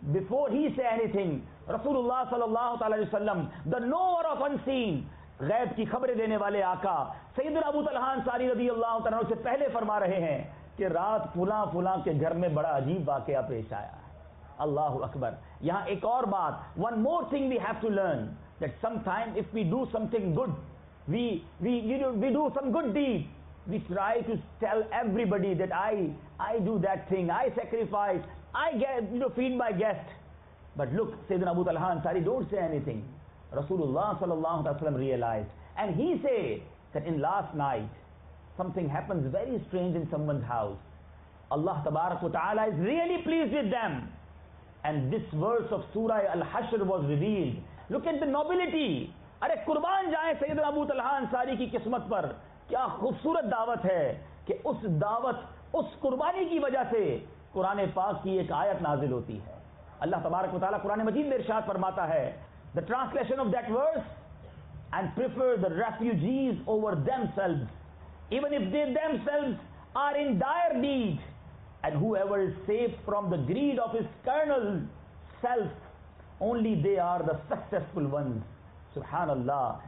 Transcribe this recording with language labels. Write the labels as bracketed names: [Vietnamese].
[English] Before he say anything, [Urdu] Rasulullah sallallahu ta'ala alayhi wasallam, [English] the knower of unseen, [Urdu] غیب کی خبریں دینے والے آقا سیدنا ابو طلحہ انصاری رضی اللہ تعالیٰ عنہ سے پہلے فرما رہے ہیں کہ رات فلاں فلاں کے گھر میں بڑا عجیب واقعہ پیش آیا ہے. اللہ اکبر. یہاں ایک اور بات, [English] one more thing we have to learn, that sometimes if we do something good, we do some good deed, we try to tell everybody that I do that thing, I sacrifice, I get, you know, feed my guest. But look, سیدنا Abu Talha Ansari don't say anything. Rasulullah sallallahu alaihi wasallam realized, and he said that in last night something happens very strange in someone's house. Allah tabarak wa ta'ala is really pleased with them. And this verse of Surah Al-Hashr was revealed, Look at the nobility. [Urdu] ارے قربان جائیں سیدنا ابو طلحہ انصاری کی قسمت پر. کیا خوبصورت دعوت ہے کہ اس دعوت, اس قربانی کی وجہ سے قرآن پاک کی ایک آیت نازل ہوتی ہے. اللہ تبارک و تعالیٰ قرآن مجید میں ارشاد فرماتا ہے, [English] the translation of that verse, and prefer the refugees over themselves, even if they themselves are in dire need, and whoever is safe from the greed of his carnal self, only they are the successful ones. Subhanallah.